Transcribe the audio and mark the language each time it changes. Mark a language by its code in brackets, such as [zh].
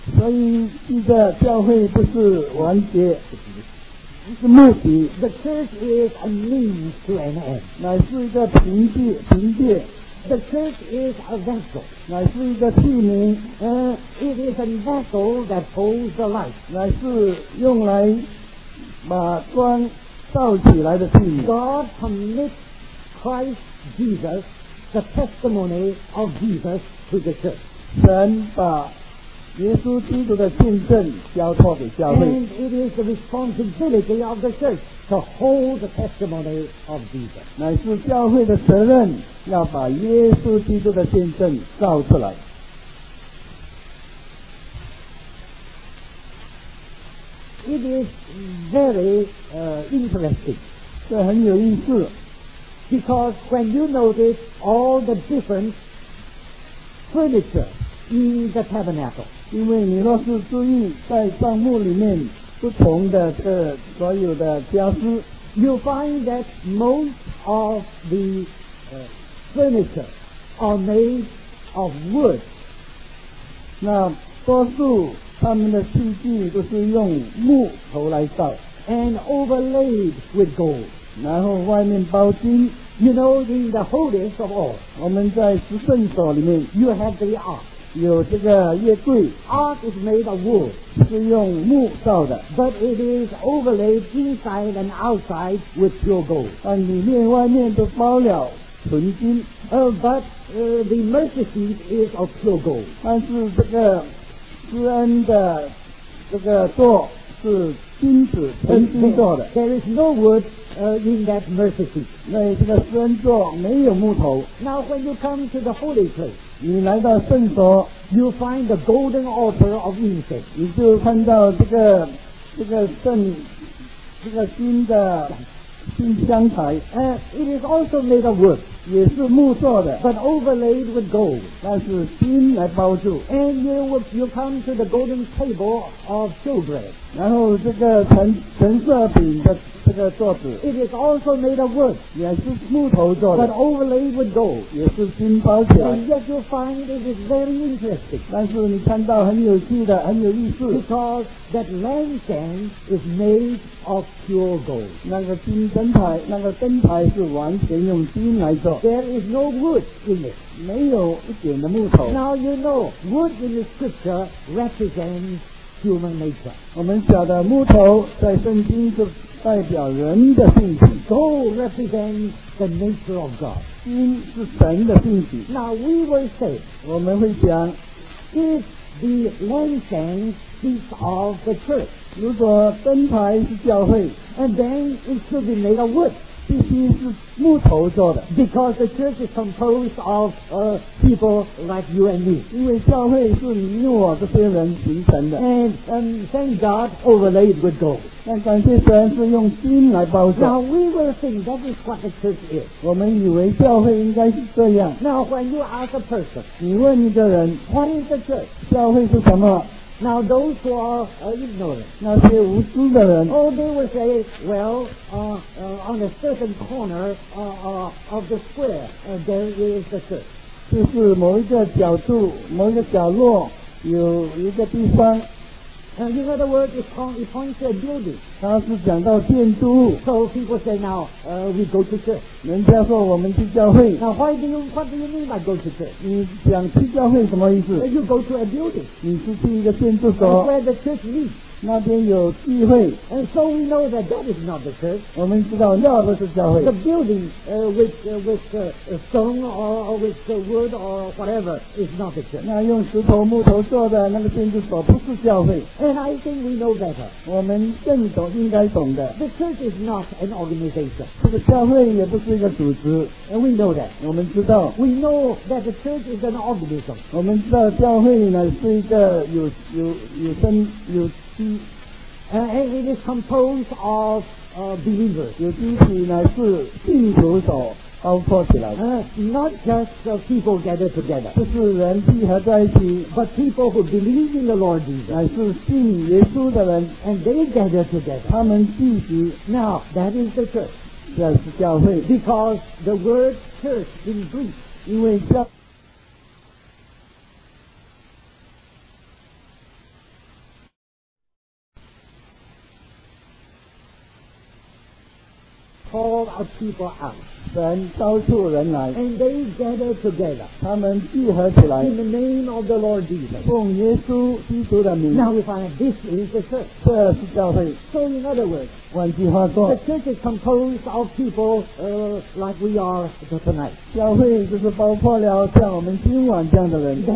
[zh] 所以这个教会不是完结，是目的。 [en] The church is a means to an end. [zh] 乃是一个凭借。 [en] The church is a vessel. [zh] 乃是一个器皿。 [en] It is a vessel that holds the light. [zh] 乃是用来把光照起来的器皿。 [en] God permits Christ Jesus, the testimony of Jesus to the church. [zh] 神把耶稣基督的见证交托给教会。 [en] And it is the responsibility of the church to hold the testimony of Jesus. [zh] 乃是教会的责任要把耶稣基督的见证照出来。 [en] It is very interesting. [zh] 这很有意思。 [en] Because when you notice all the different furniture in the tabernacle, [zh] 因为你若是注意在帐幕里面不同的这所有的家私， [en] you find that most of the furniture are made of wood. [zh] 那多数他们的器具都是用木头来造， [en] and overlaid with gold. [zh] 然后外面包金。 [en] You know, in the holiest of all, [zh] 我们在十圣所里面， [en] you have the ark. [zh] 有这个月柜。 [en] Ark is made of wood, [zh] 是用木造的。 [en] But it is overlaid inside and outside with pure gold. [zh] 但里面外面都包了纯金。 [en] The mercy seat is of pure gold. [zh] 但是这个施恩的这个座是金子纯金做的。 [en] There is no wood in that mercy seat. [zh] 那这个施恩座没有木头。 [en] Now when you come to the holy place, [zh] 你来到圣所， [en] you find the golden altar of incense. [zh] 你就看到这个金的金香台。 [en] It is also made of wood, [zh] 也是木做的。 [en] But overlaid with gold, [zh] 但是金来包住。 [en] And you come to the golden table of showbread, [zh] 然后这个陈设饼的这个桌子。 [en] It is also made of wood, [zh] 也是木头做的。 [en] But overlaid with gold, [zh] 也是金包起来。 [en] And yet you find it is very interesting, [zh] 但是你看到很有趣的，很有意思。 [en] Because that lampstand is made of pure gold, [zh] 那个金灯台，那个灯台是完全用金来做。 [en] There is no wood in it, [zh] 没有一点的木头。 [en] Now you know, wood in the scripture represents human nature. [zh] 我们晓得木头在圣经是代表人的性情。 [en] Gold represents the nature of God. [zh] 金是神的性情。 [en] Now we will say, [zh] 我们会讲， [en] if the lampstand speaks of the church, [zh] 如果灯台是教会， [en] and then it should be made of wood, [zh] 必须是木头做的。 [en] Because the church is composed of people like you and me, [zh] 因为教会是你我这些人形成的。 [en] And thank God overlaid with gold, [zh] 但感谢神是用金来包着。 [en] Now we will think that is what the church is, [zh] 我们以为教会应该是这样。 [en] Now when you ask a person, [zh] 你问一个人， [en] what is the church, [zh] 教会是什么？ [en] Now those who are ignorant, [zh] 那些无知的人， [en] oh, they will say, well, on a certain corner of the square, there is the church. [zh] 就是某一个角度，某一个角落有一个地方。 [en] And in other words, it points to a building. [zh] 它是讲到建筑物。 [en] So people say now, we go to church. [zh] 人家说我们去教会。 [en] Now what do you mean by go to church? [zh] 你讲去教会什么意思？ [en] You go to a building. [zh] 你是去一个建筑所。 [en] And where the church meets. [zh] 那边有聚会。 [en] And so we know that that is not the church. [zh] 我们知道那不是教会。 [en] The building with stone or with wood or whatever is not the church. [zh] 那用石头木头做的那个建筑所不是教会。 [en] And I think we know better. [zh] 我们更懂，应该懂的。 [en] The church is not an organization. [zh] 这个教会也不是一个组织。 [en] And we know that. [zh] 我们知道。 [en] We know that the church is an organism. [zh] 我们知道教会呢是一个有生有机。 [en] And it is composed of believers. [zh] 有机体呢是信徒所包括起来。 [en] Not just people gathered together, [zh] 不是人聚合在一起， [en] but people who believe in the Lord Jesus, [zh] 乃是信耶稣的人。 [en] And they gather together, [zh] 他们聚集。 [en] Now that is the church, [zh] 这是教会。 [en] Because the word church in Greek, [zh] 因为教 [en] Call our people out. [zh] 神召出人来 [en] And they gather together. [zh] 他们聚合起来 [en] In the name of the Lord Jesus. [zh] 奉耶稣基督的名 [en] Now we find this is the church. [zh] 这是教会 [en] So in other words, [zh] 换句话说 [en] The church is composed of people like we are tonight. [zh] 教会就是包括了像我们今晚这样的人